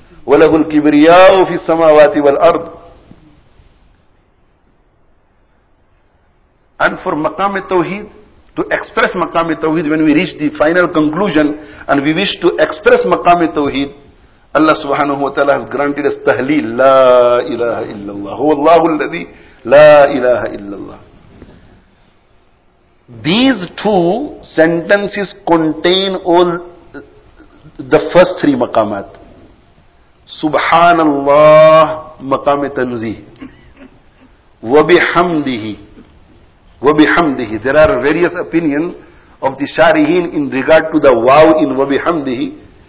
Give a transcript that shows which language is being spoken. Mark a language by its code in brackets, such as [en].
[ar] وَلَهُ الْكِبْرِيَاءُ فِي السَّمَاوَاتِ وَالْأَرْضِ. [en] And for maqam-e-tawheed, to express maqam-e-tawheed, when we reach the final conclusion and we wish to express maqam-e-tawheed, Allah subhanahu wa ta'ala has granted us tahleel. [ar] لا إله إلا الله. هو الله الذي لا إله إلا الله. [en] These two sentences contain all the first three maqamat. Subhanallah maqam tanzih. Wabihamdihi. There are various opinions of the Shariheen in regard to the waw in wabihamdihi.